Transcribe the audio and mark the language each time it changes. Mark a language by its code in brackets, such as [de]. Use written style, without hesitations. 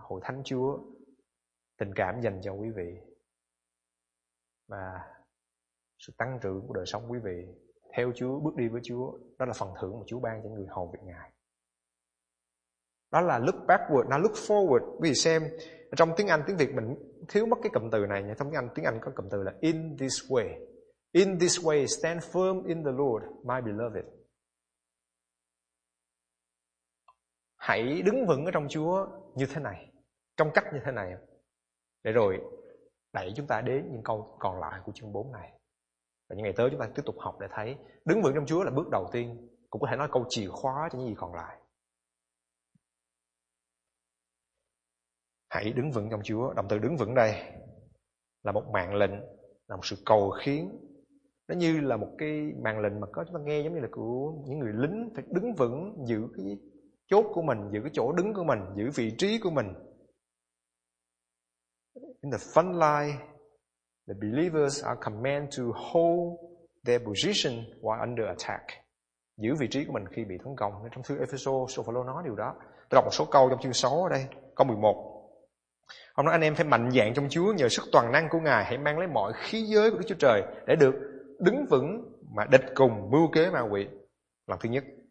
[vi] Hội thánh Chúa, tình cảm dành cho quý vị và sự tăng trưởng của đời sống quý vị theo Chúa, bước đi với Chúa, đó là phần thưởng mà Chúa ban cho người hầu việc Ngài. Đó là [en] look backward. Now look forward. [vi] Quý vị xem trong tiếng Anh, tiếng Việt mình thiếu mất cái cụm từ này nha. Trong tiếng Anh có cụm từ là [en] in this way. In this way, stand firm in the Lord, my beloved. [vi] Hãy đứng vững ở trong Chúa như thế này, trong cách như thế này, để rồi đẩy chúng ta đến những câu còn lại của chương 4 này. Và những ngày tới chúng ta tiếp tục học để thấy đứng vững trong Chúa là bước đầu tiên, cũng có thể nói câu chìa khóa cho những gì còn lại. Hãy đứng vững trong Chúa. Động từ đứng vững đây là một mạng lệnh, là một sự cầu khiến. Nó như là một cái mạng lệnh mà có chúng ta nghe giống như là của những người lính phải đứng vững, giữ cái chốt của mình, giữ cái chỗ đứng của mình, giữ vị trí của mình. [en] In the front line, the believers are commanded to hold their position while under attack. [vi] Giữ vị trí của mình khi bị tấn công. Trong thư Ephesos, Paulo nói điều đó. Tôi đọc một số câu trong chương 6 ở đây, câu 11. Ông nói anh em phải mạnh dạn trong Chúa nhờ sức toàn năng của Ngài, hãy mang lấy mọi khí giới của Đức Chúa Trời để được đứng vững mà địch cùng mưu kế ma quỷ. Lần thứ nhất.